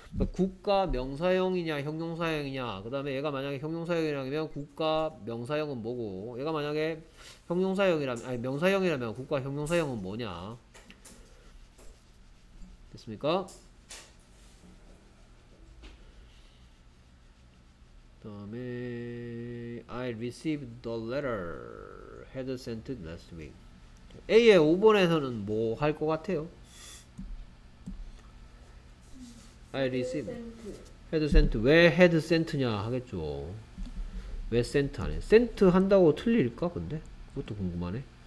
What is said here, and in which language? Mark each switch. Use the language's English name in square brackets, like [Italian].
[Korean] 국가 명사형이냐 형용사형이냐, 그 다음에 얘가 만약에 형용사형이라면 국가 명사형은 뭐고, 얘가 만약에 형용사형이라면, 아니 명사형이라면 국가 형용사형은 뭐냐, 됐습니까? [English] 다음에 I received the letter had sent last week. [Korean] A의 5번에서는 뭐 할 것 같아요? [English] I received. Had sent. [Korean] 왜 had sent냐 하겠죠. 왜 sent 하네. sent 한다고 틀릴까 근데? 그것도 궁금하네.